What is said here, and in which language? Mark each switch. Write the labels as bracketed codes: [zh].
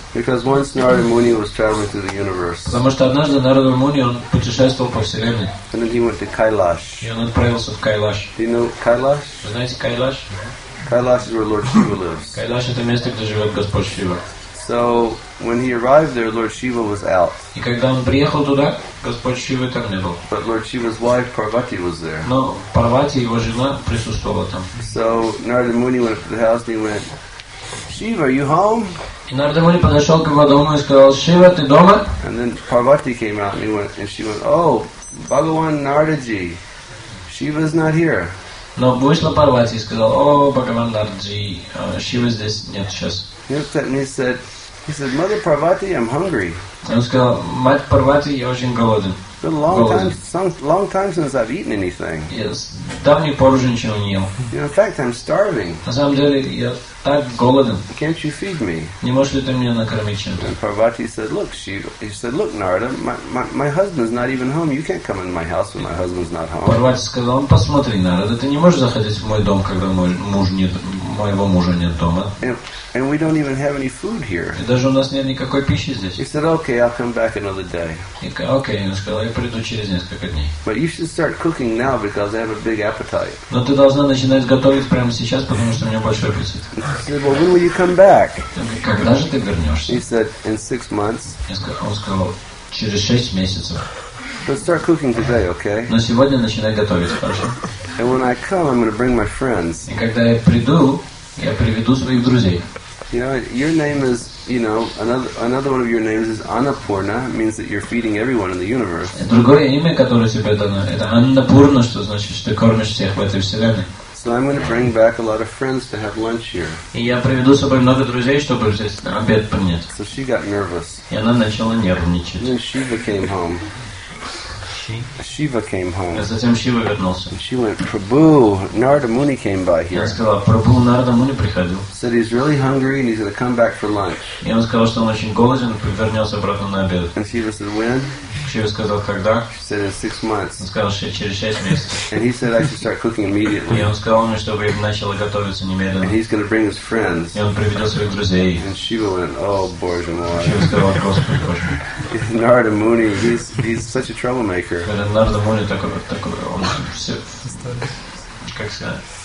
[en] Because once Narada Muni was traveling through the universe. [ru] Потому что однажды Нарада Муни он путешествовал по вселенной. [en] And then he went to Kailash. [ru] И он отправился в Кайлаш. [en] Do you know Kailash? [ru] Вы знаете Кайлаш? [en] Kailash is where Lord Shiva lives. [ru] Кайлаш это место, где живет Господь Шива. [en] So when he arrived there, Lord Shiva was out. [ru] И когда он приехал туда, Господь Шива там не был. [en] But Lord Shiva's wife Parvati was there. [ru] Но Парвати, его жена, присутствовала там. [en] So Narada Muni went to the house and he went, Shiva, are you home? [ru] И Нарада Муни подошел к его дому и сказал, Шива, ты дома? [en] And then Parvati came out and he went, and she went, oh, Bhagavan Nardaji, Shiva's not here. [ru] Но вышла Парвати и сказала, о, Бхагаван Нардаджи, Шива здесь нет сейчас. [en] He said, Mother Parvati, I'm hungry. [ru] Он сказал, мать Парвати, я очень голоден. [en] It's been a long time since I've eaten anything. [ru] Yes, давний пор уже ничего не ел. [en] In fact, I'm starving. [ru] На самом деле, я так голоден. [en] Can't you feed me? [ru] Не можешь ли ты меня накормить чем-то? [en] And Parvati said, look, he said, look, Narada, my husband's not even home. You can't come in my house when my husband's not home. [ru] Парвати сказал, посмотри, Нарада, ты не можешь заходить в мой дом, когда моего мужа нет дома. [en] And we don't even have any food here. [ru] И даже у нас нет никакой пищи здесь. [en] He said, okay, I'll come back another day. [ru] Okay, он сказал, я приду через несколько дней. [en] But you should start cooking now because I have a big appetite. [ru] Но ты должна начинать готовить прямо сейчас, потому что у меня большой аппетит. [en] He said, well, when will you come back? [ru] Когда же ты вернешься? [en] He said, in 6 months. [ru] Он сказал, через 6 месяцев. [en] But start cooking today, okay? [ru] Но сегодня начинай готовить, хорошо? [en] And when I come, I'm going to bring my friends. [ru] И когда я приду, я приведу своих друзей. [en] You know, your name is, you know, another one of your names is Annapurna, means that you're feeding everyone in the universe. [ru] Другое имя, которое тебе дано, это Аннапурна, что значит, что ты кормишь всех в этой вселенной. [en] So I'm going to bring back a lot of friends to have lunch here. [ru] И я приведу с собой много друзей, чтобы здесь обед принять. [en] So she got nervous. [ru] И она начала нервничать. [en] And then Shiva came home. Shiva came home. [ru] А затем Шива вернулся. [en] And she went, Prabhu, Narada Muni came by here. [ru] Я сказала, Прабху, Нарада Муни приходил. [en] Said he's really hungry and he's going to come back for lunch. [ru] И он сказал, что он очень голоден и вернется обратно на обед. [en] And Shiva said, when? [ru] Шива сказал, когда? [en] She said, in 6 months. [ru] Он сказал, что через 6 месяцев. [en] And he said, I should start cooking immediately. [ru] И он сказал мне, чтобы я начала готовиться немедленно. [en] And he's going to bring his friends. [ru] И он приведет своих друзей. [en] And Shiva went, oh, [ru] Боже мой. Шива сказал, Господи, Боже мой. [en] Narada Muni, he's such a troublemaker. [ru] Нарада Муни такой, он все, как сказать,